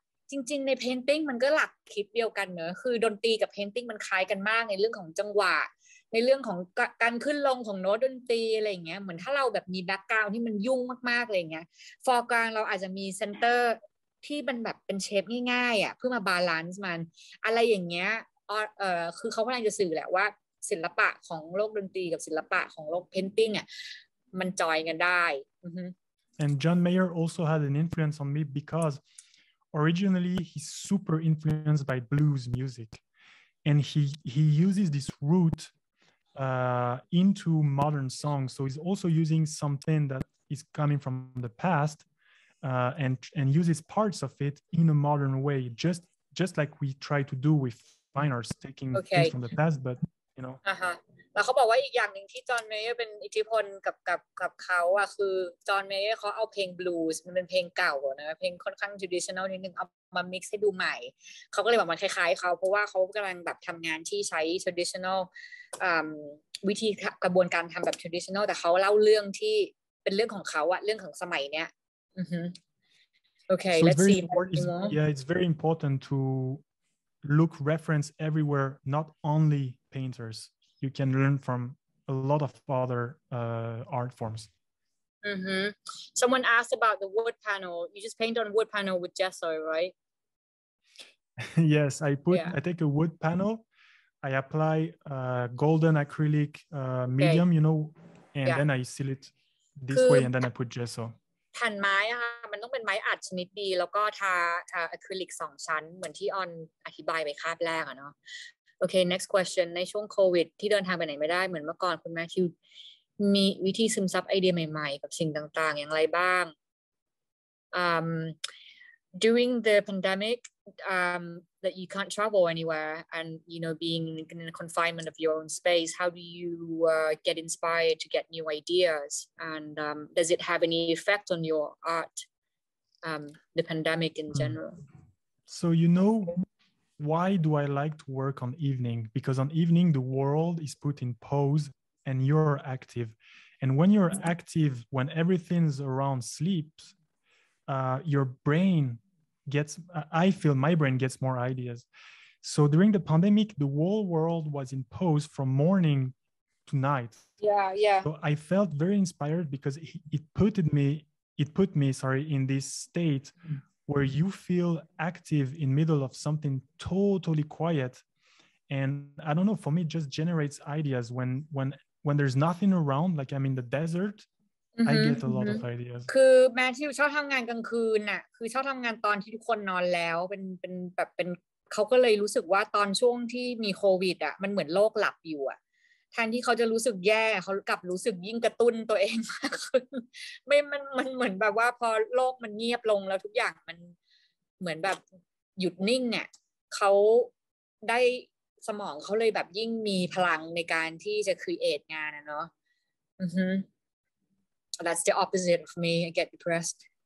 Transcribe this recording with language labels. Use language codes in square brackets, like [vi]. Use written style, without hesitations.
[th] จริงๆในเพนติ้งมันก็หลักคิดเดียวกันเนอะคือดนตรีกับเพนติ้งมันคล้ายกันมากในเรื่องของจังหวะในเรื่องของการขึ้นลงของโน้ตดนตรีอะไรอย่างเงี้ยเหมือนถ้าเราแบบมีแบ็คกราวด์ที่มันยุ่งมากๆอะไรอย่างเงี้ยฟอร์กลางเราอาจจะมีเซนเตอร์ที่มันแบบเป็นเชฟง่ายๆอ่ะเพื่อมาบาลานซ์มันอะไรอย่างเงี้ยคือเขากำลังจะสื่อแหละว่าศิลปะของโลกดนตรีกับศิลปะของโลกเพนติ้งอ่ะมันจอยกันได้ [en] And John Mayer also had an influence on me because originally he's super influenced by blues music and he uses this root into modern songs, so he's also using something that is coming from the past and uses parts of it in a modern way, just like we try to do with fine arts, taking okay. things from the past, but you know. [th] แล้วเขาบอกว่าอีกอย่างหนึ่งที่จอห์นเมเยอร์เป็นอิทธิพลกับเขาอะคือจอห์นเมเยอร์เขาเอาเพลงบลูส์มันเป็นเพลงเก่านะเพลงค่อนข้าง traditional นิดนึงเอามา mix ให้ดูใหม่เขาก็เลยบอกมันคล้ายๆเขาเพราะว่าเขากำลังแบบทำงานที่ใช้ traditional วิธีกระบวนการทำแบบ traditional แต่เขาเล่าเรื่องที่เป็นเรื่องของเขาอะเรื่องของสมัยเนี้ยโอเค [en] let's see yeah it's very important to look reference everywhere not only paintersYou can learn from a lot of other art forms. Mm-hmm. Someone asked about the wood panel. You just paint on wood panel with gesso, right? Yes, I take a wood panel. I apply golden acrylic medium, you know, and then I seal it this way, and then I put gesso. [th] แผ่นไม้ค่ะมันต้องเป็นไม้อัดชนิดดีแล้วก็ทาอะคริลิก2ชั้นเหมือนที่ออนอธิบายไปคาบแรกอะเนาะโอเค [en] next question [th] ในช่วงโควิดที่เดินทางไปไหนไม่ได้เหมือนเมื่อก่อนคุณแมทธิว มีวิธีซึมซับไอเดียใหม่ๆกับสิ่งต่างๆอย่างไรบ้าง [en] during the pandemic that you can't travel anywhere and you know being in a confinement of your own space how do you get inspired to get new ideas and does it have any effect on your art the pandemic in general so you knowWhy do I like to work on evening? Because on evening, the world is put in pause and you're active. And when you're active, when everything's around sleeps, your brain gets, I feel my brain gets more ideas. So during the pandemic, the whole world was in pause from morning to night. Yeah. So I felt very inspired because it put me in this state where you feel active in middle of something totally quiet. And I don't know, for me, it just generates ideas. When there's nothing around, like I'm in the desert, I get a lot of ideas. [th] คือแมทธิวชอบทำงานกลางคืนอะคือชอบทำงานตอนที่ทุกคนนอนแล้วเป็นแบบเป็นเขาก็เลยรู้สึกว่าตอนช่วงที่มีโควิดอะมันเหมือนโลกหลับอยู่อะแทนที่เขาจะรู้สึกแย่เขากลับรู้สึกยิ่งกระตุ้นตัวเองมากขึ้น มันเหมือนแบบว่าพอโลกมันเงียบลงแล้วทุกอย่างมันเหมือนแบบหยุดนิ่งเนี่ยเขาได้สมองเขาเลยแบบยิ่งมีพลังในการที่จะครีเอทงานนะเนาะอือฮึ [en] that's the opposite of me I get depressed